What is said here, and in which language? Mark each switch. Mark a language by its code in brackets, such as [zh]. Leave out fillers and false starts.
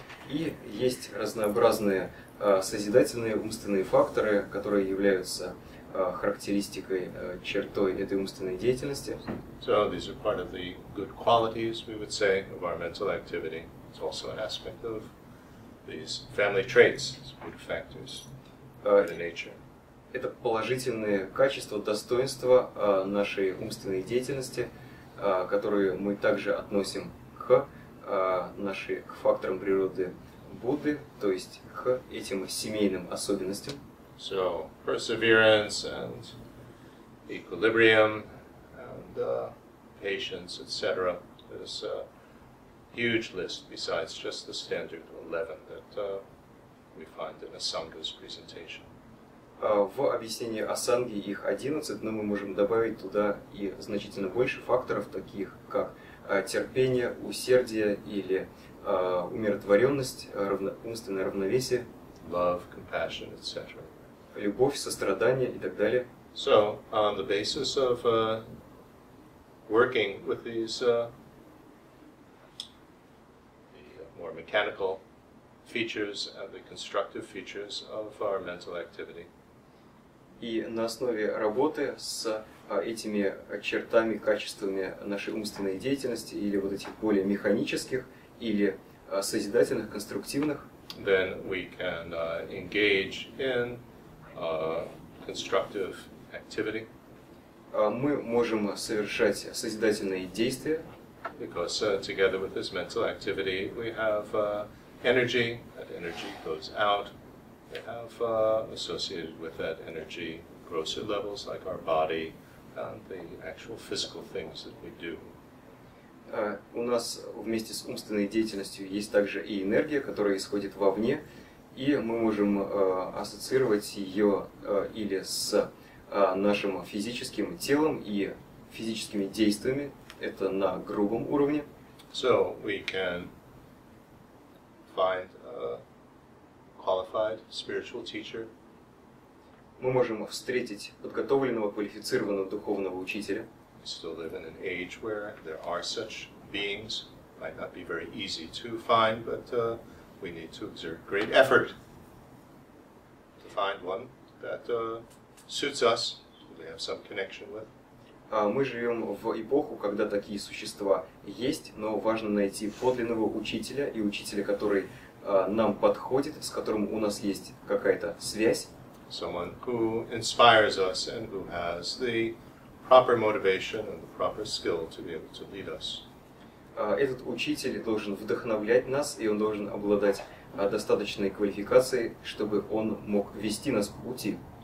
[ru] И есть разнообразные созидательные умственные факторы, которые являются характеристикой, чертой этой умственной деятельности. [en] So these are part of the good qualities, we would say, of our mental activity. It's also an aspect of these family traits, these good factors of the nature. [ru] Это положительные качества, достоинства нашей умственной деятельности, которые мы также относим к нашей, к факторам природы Будды, то есть к этим семейным особенностям. [en] So, perseverance and equilibrium and patience, etc. There's a huge list besides just the standard 11 that we find in Asanga's presentation. [ru] В объяснении Асанги их 11, но мы можем добавить туда и значительно больше факторов, таких как терпение, усердие или умиротворенность, умственное равновесие. [en] Love, compassion, etc. [ru] Любовь, сострадание и так далее. [en] So, on the basis of working with these the more mechanical features and the constructive features of our mental activity. [ru] И на основе работы с этими чертами, качествами нашей умственной деятельности или вот этих более механических или созидательных, конструктивных. [en] Then we can engage in constructive activity. [ru] Мы можем совершать созидательные действия. [en] Because together with this mental activity, we have energy. That energy goes out. We have associated with that energy grosser levels like our body and the actual physical things that we do. [ru] у нас вместе с умственной деятельностью есть также и энергия, которая исходит вовне, и мы можем ассоциировать ее или с нашим физическим телом и физическими действиями, это на грубом уровне. [en] So we can find a qualified spiritual teacher. [ru] Мы можем встретить подготовленного, квалифицированного духовного учителя. [en] We still live in an age where there are such beings. Might not be very easy to find, but we need to exert great effort to find one that suits us, who we have some connection with. [ru] Мы живем в эпоху, когда такие существа есть, но важно найти подлинного учителя и учителя, который нам подходит, с которым у нас есть какая-то связь. [en] Someone who inspires us and who has the proper motivation and the proper skill to be able to lead us. [ru] Этот учитель должен вдохновлять нас, и он должен обладать достаточной квалификацией, чтобы он мог вести нас по пути.